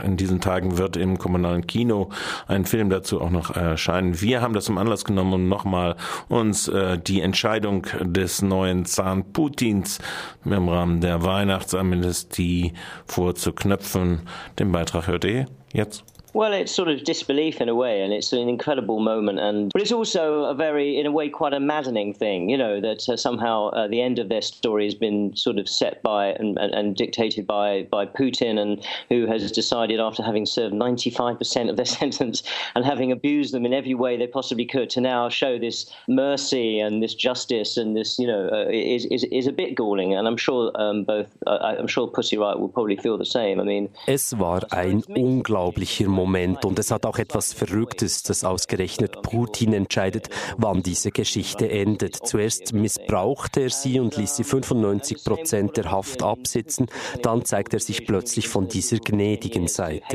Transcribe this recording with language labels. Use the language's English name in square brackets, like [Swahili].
[German] In diesen Tagen wird im kommunalen Kino ein Film dazu auch noch erscheinen. Wir haben das zum Anlass genommen, um nochmal uns die Entscheidung des neuen Zaren Putins im Rahmen der Weihnachtsamnestie vorzuknöpfen. Den Beitrag hört ihr jetzt. [English] Well, it's sort of disbelief in a way, and it's an incredible moment. And but it's also a very, in a way, quite a maddening thing, you know, that somehow the end of their story has been sort of set by and dictated by Putin, and who has decided after having served 95% of their sentence and having abused them in every way they possibly could to now show this mercy and this justice and this, you know, is a bit galling. And I'm sure I'm sure Pussy Riot will probably feel the same. I mean, [German] es war ein unglaublicher Moment und es hat auch etwas Verrücktes, dass ausgerechnet Putin entscheidet, wann diese Geschichte endet. Zuerst missbrauchte er sie und ließ sie 95% der Haft absitzen, dann zeigt er sich plötzlich von dieser gnädigen Seite.